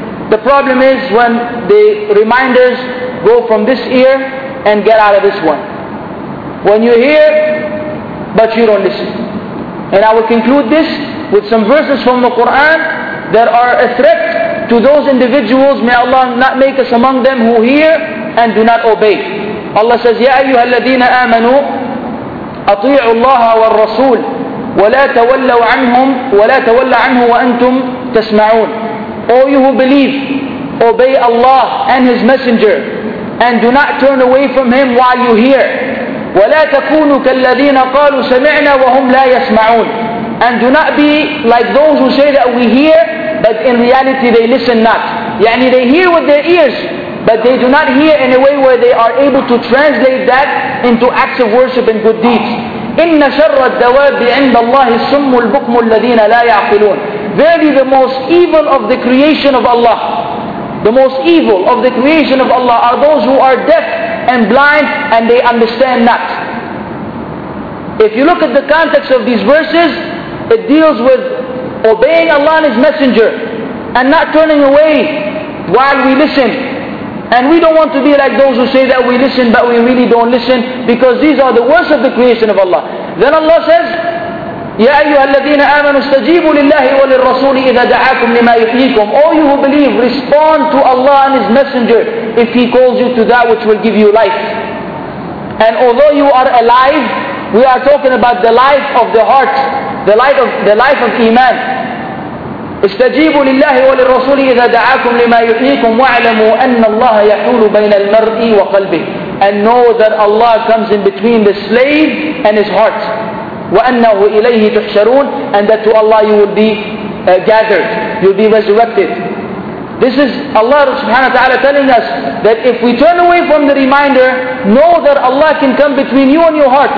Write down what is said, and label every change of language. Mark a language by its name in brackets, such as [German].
[English] The problem is when the reminders go from this ear and get out of this one. When you hear, but you don't listen. And I will conclude this with some verses from the Quran that are a threat to those individuals. May Allah not make us among them who hear and do not obey. Allah says, [Arabic] يَا أَيُّهَا الَّذِينَ آمَنُوا أَطِيعُوا اللَّهَ وَالرَّسُولِ وَلَا تَوَلَّوْا عَنْهُمْ وَلَا تَوَلَّ عَنْهُ وَأَنْتُمْ تَسْمَعُونَ. [English] All you who believe, obey Allah and His Messenger and do not turn away from Him while you hear. [Arabic] وَلَا تَكُونُوا كَالَّذِينَ قَالُوا سَمِعْنَا وَهُمْ لَا يَسْمَعُونَ. [English] And do not be like those who say that we hear, but in reality they listen not. يعني they hear with their ears, but they do not hear in a way where they are able to translate that into acts of worship and good deeds. [Arabic] إِنَّ شَرَّ الدَّوَابِّ عِنْدَ اللَّهِ السُّمُّ الْبُكْمُ الَّذِينَ لَا يَعْقِلُونَ. [English] Verily the most evil of the creation of Allah, the most evil of the creation of Allah are those who are deaf and blind and they understand not. If you look at the context of these verses, it deals with obeying Allah and His Messenger and not turning away while we listen. And we don't want to be like those who say that we listen but we really don't listen, because these are the worst of the creation of Allah. Then Allah says, [Arabic] يَا أَيُّهَا الَّذِينَ آمَنُوا اسْتَجِيبُوا لِلَّهِ وَلِلرَّسُولِ إِذَا دَعَاكُمْ لِمَا يُحْيِيكُمْ. [English] All you who believe, respond to Allah and His Messenger if He calls you to that which will give you life. And although you are alive, we are talking about the life of the heart, the life of Iman. [Arabic] استجيبوا لله وللرسول إذا دعاكم لما يحييكم واعلموا أن الله يحول بين المرء وقلبه. [English] And know that Allah comes in between the slave and his heart. [Arabic] وأنه إليه تحشرون. [English] And that to Allah you will be gathered, you'll be resurrected. This is Allah subhanahu wa ta'ala telling us that if we turn away from the reminder, know that Allah can come between you and your heart.